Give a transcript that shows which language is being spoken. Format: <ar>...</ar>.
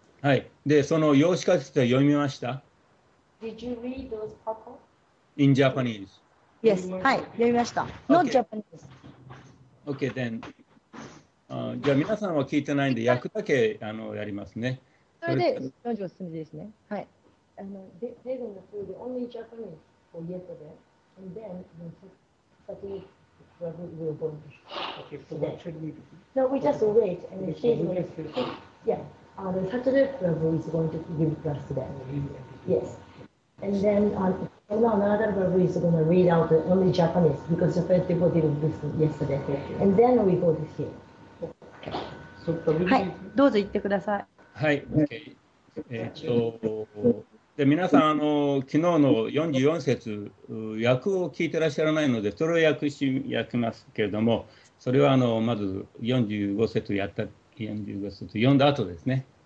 <ja>はい、で、その用紙解説は読みました。</ja> <en>Did you read those purport? In Japanese Yes,</en> <ja>はい、読みました。</ja> <en>Not Japanese. Okay, then.</en> <ja>じゃあ皆さんは聞いてないんで、訳だけやりますね。それで、どんどん進めですね。はい。</ja> <en>They went through the only Japanese for yesterday, and then the second one will go English. Okay, so today. No, we just wait, and then she's going to speak. Yeah, the Saturday one is going to give class today. Yes. And then, another one is going to read out the only Japanese because the first people did this yesterday. And then we go to here. Okay.</en> <ja>はい、どうぞ言ってください。はい、OK。で、皆さん、昨日の44節、訳を聞いてらっしゃらないので、それを訳しますけれども、それはまず45節やった、45節読んだ後ですね。</ja>